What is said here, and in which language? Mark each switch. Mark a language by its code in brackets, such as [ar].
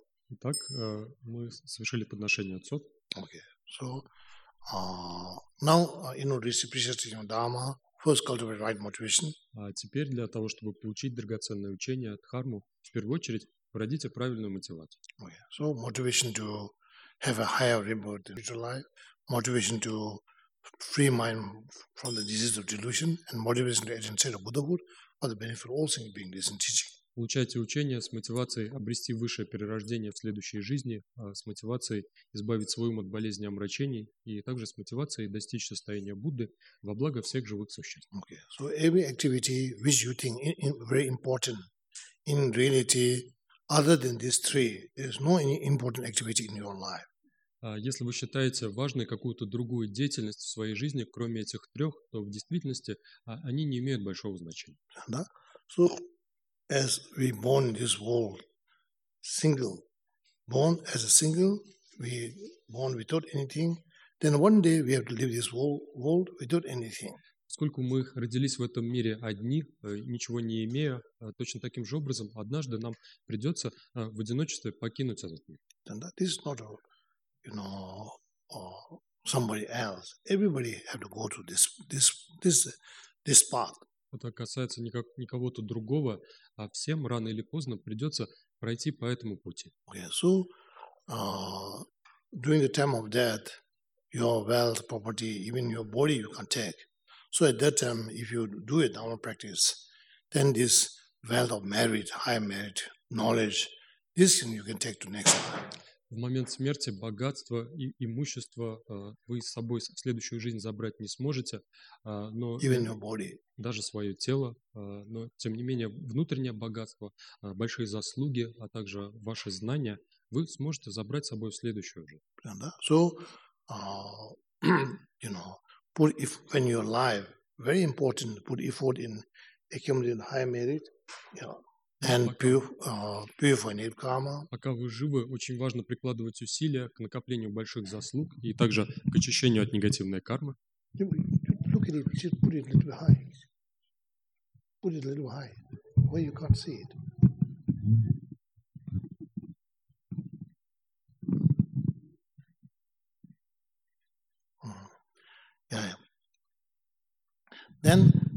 [ru] Итак, мы совершили подношение отцу. [en] Okay. So, Now, in order to appreciate the Dharma, first cultivate right motivation. [ru] А теперь для того, чтобы получить драгоценное учение от Дхарму, в первую очередь, родите правильную мотивацию. [en] Okay. So, motivation to have a higher rebirth in spiritual life, motivation to free mind from the disease of delusion, and motivation to attain state of Buddhahood for the benefit of all sentient beings and teaching. [ru] Получайте учение с мотивацией обрести высшее перерождение в следующей жизни, с мотивацией избавить свой ум от болезни омрачений и также с мотивацией достичь состояния Будды во благо всех живых существ. [en] Okay. So every activity which you think is very important, in reality, other than these three, there is no any important activity in your life. [ru] Если вы считаете важной какую-то другую деятельность в своей жизни, кроме этих трех, то в действительности они не имеют большого значения. Да? [en] So, as we born in this world, single, born as a single, we born without anything, then one day we have to leave this world without anything. [ru] Поскольку мы родились в этом мире одни, ничего не имея, точно таким же образом, однажды нам придется в одиночестве покинуть этот мир. [en] Then that is not a, you know, somebody else. Everybody have to go to this path. [ru] Это касается не кого-то другого, а всем рано или поздно придется пройти по этому пути. [en] Okay, so, during the time of death, your wealth, property, even your body you can take. So at that time, if you do a Dharma practice, then this wealth of merit, high merit, knowledge, this thing you can take to next life. [ru] В момент смерти богатство и имущество вы с собой в следующую жизнь забрать не сможете, но [en] even your body. [ru] Даже свое тело, но тем не менее внутреннее богатство, большие заслуги, а также ваши знания вы сможете забрать с собой в следующую жизнь. Да. [en] So, you know, put if when you're alive, very important to put effort in accumulating high merit, you know. And purifying your karma. [ru] Пока вы живы, очень важно прикладывать усилия к накоплению больших заслуг и также к очищению от негативной кармы. [en] Look at it. Just put it a little high. Put it a little high, where you can't see it. Yeah. Then.